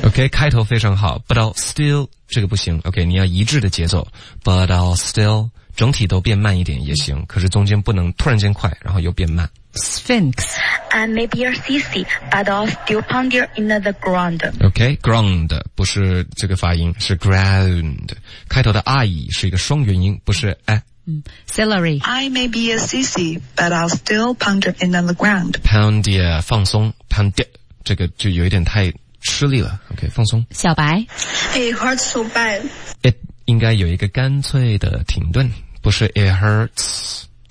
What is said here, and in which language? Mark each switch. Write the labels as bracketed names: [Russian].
[Chinese] Okay, 开头非常好 ， [English] but I'll still [Chinese] 这个不行。Okay, 你要一致的节奏 ，but I'll still 整体都变慢一点也行，可是中间不能突然间快，然后又变慢。 [English] Sphinx. I may be a sissy, but I'll still pound you in the ground. [Chinese] Okay, ground 不是这个发音，是 ground。开头的 I 是一个双元音，不是 I。 [English] Celery. I may be a sissy, but I'll still pound you in the ground. Pound you, [Chinese] 放松 pound you, 这个就有一点太吃力了 OK, 放松。小白。 [English] It hurts so bad. [Chinese] It 应该有一个干脆的停顿，不是 [English] it hurts.